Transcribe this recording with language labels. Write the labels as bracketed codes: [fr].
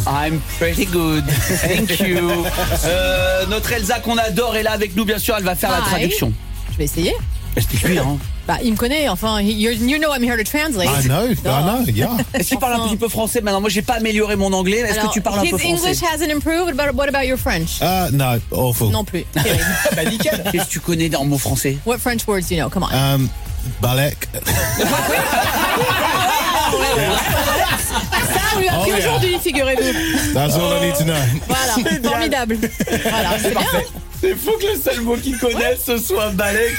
[en] I'm pretty good, thank you. [fr] Notre Elsa qu'on adore est là avec nous, bien sûr, elle va faire [en] Hi. [fr] La traduction. Je vais essayer. Explique-lui, hein. Bah, il me connaît, enfin, [en] you know I'm here to translate. I know, yeah. [fr] Est-ce qu'il parle un petit peu français maintenant? Moi, j'ai pas amélioré mon anglais. Est-ce que tu parles un peu français? [en] His English hasn't improved, but what about your French? No, awful. [fr] Non plus. Bah, nickel. Qu'est-ce que tu connais en mot français? [en] What French words do you know? Come on. [fr] Balek. Aujourd'hui, figurez-vous. [en] That's all I need to know. [fr] Voilà, formidable. Voilà, c'est bien. Parfait. C'est fou que le seul mot qu'ils connaissent ce soit Balek.